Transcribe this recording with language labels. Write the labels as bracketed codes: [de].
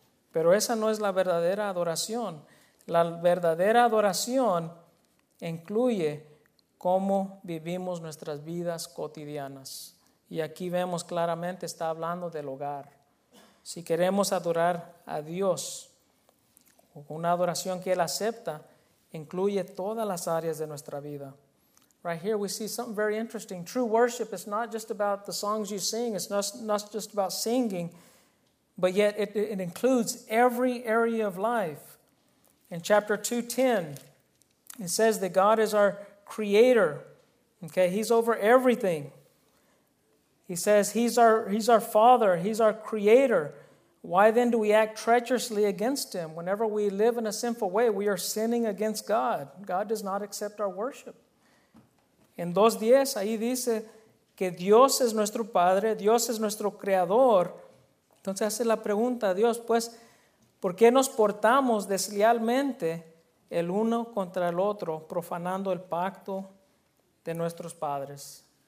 [es] Pero esa no es la verdadera adoración. La verdadera adoración incluye cómo vivimos nuestras vidas cotidianas. Y aquí vemos claramente, está hablando del hogar. Si queremos adorar a Dios, una adoración que Él acepta, incluye todas las áreas de nuestra vida. [en] Right here we see something very interesting. True worship is not just about the songs you sing. It's not just about singing. But yet it includes every area of life. In chapter 2:10, it says that God is our creator. Okay, He's over everything. He says he's our father, he's our creator. Why then do we act treacherously against him? Whenever we live in a sinful way, we are sinning against God. God does not accept our worship. [es] En 2:10, ahí dice que Dios es nuestro padre, Dios es nuestro creador. Entonces hace la pregunta a Dios, pues, ¿por qué nos portamos deslealmente el uno contra el otro, profanando el pacto de nuestros padres?